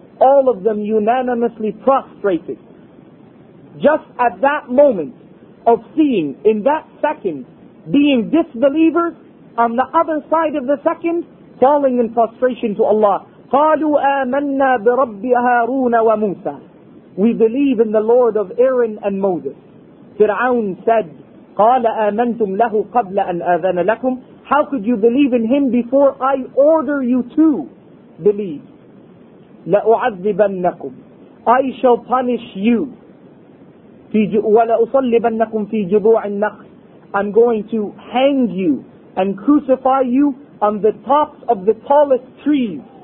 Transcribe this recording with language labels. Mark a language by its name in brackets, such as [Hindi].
[English] All of them unanimously prostrated. Just at that moment of seeing, in that second, being disbelievers, on the other side of the second, falling in prostration to Allah. [Arabic] قَالُوا آمَنَّا بِرَبِّ هَارُونَ وَمُوسَى. [English] We believe in the Lord of Aaron and Moses. Fir'aun said, [Arabic] قَالَ آمَنْتُمْ لَهُ قَبْلَ أَنْ آذَنَ لَكُمْ. [English] How could you believe in him before I order you to believe? [Arabic] لَأُعَذِّبَنَّكُمْ. [English] I shall punish you. [Arabic] وَلَأُصَلِّبَنَّكُمْ فِي جُذُوعِ النَّخْلِ. [English] I'm going to hang you and crucify you on the tops of the tallest trees.